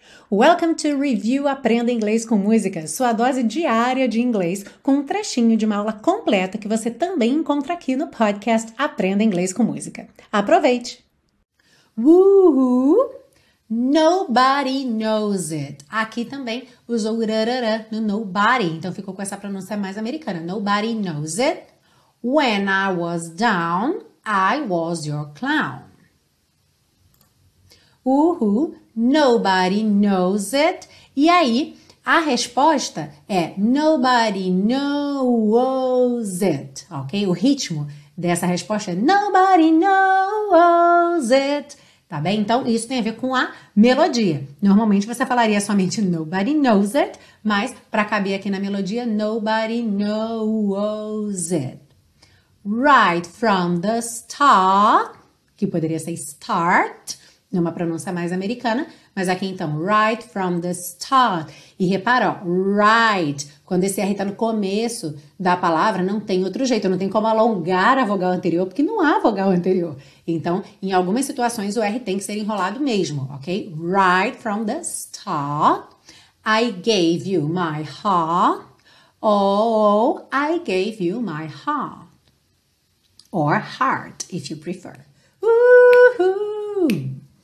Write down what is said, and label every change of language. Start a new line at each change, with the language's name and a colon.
English: Welcome to
Portuguese: Review Aprenda Inglês com Música, sua dose diária de inglês, com um trechinho de uma aula completa que você também encontra aqui no podcast Aprenda Inglês com Música. Aproveite!
English: Woohoo! Nobody knows it.
Portuguese: Aqui também usou o rarará no nobody, então ficou com essa pronúncia mais americana.
English: Nobody knows it. When I was down, I was your clown. Uhu, nobody knows it.
Portuguese: E aí, a resposta é
English: nobody knows it,
Portuguese: ok? O ritmo dessa resposta é
English: nobody knows it.
Portuguese: Tá bem? Então, isso tem a ver com a melodia. Normalmente você falaria somente
English: nobody knows it,
Portuguese: mas para caber aqui na melodia, nobody knows it.
English: Right from the start,
Portuguese: que poderia ser start, numa pronúncia mais americana, mas aqui então, right from the start. E repara, ó, right, quando esse R está no começo da palavra, não tem outro jeito, não tem como alongar a vogal anterior, porque não há vogal anterior. Então, em algumas situações, o R tem que ser enrolado mesmo, ok?
English: Right from the start, I gave you my heart. Oh, I gave you my heart. Or heart, if you prefer. Woohoo!